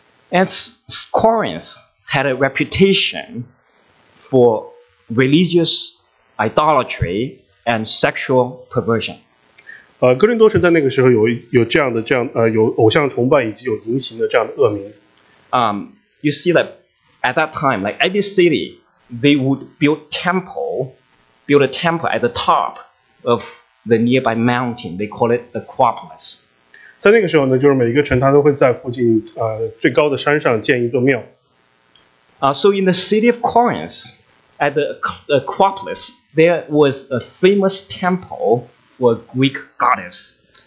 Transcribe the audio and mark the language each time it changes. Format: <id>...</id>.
<en>And Corinth had a reputation for religious idolatry and sexual perversion.</en> <zh>格林多城在那个时候有偶像崇拜以及有淫行的这样的恶名。</zh> <en>You see that at that time, like every city, they would build a temple at the top of the nearby mountain. They call it the Acropolis.</en> <zh>在那个时候呢,就是每一个城它都会在附近最高的山上建一座庙。</zh> <en>So in the city of Corinth, at the Acropolis, there was a famous temple for Greek goddess.</en>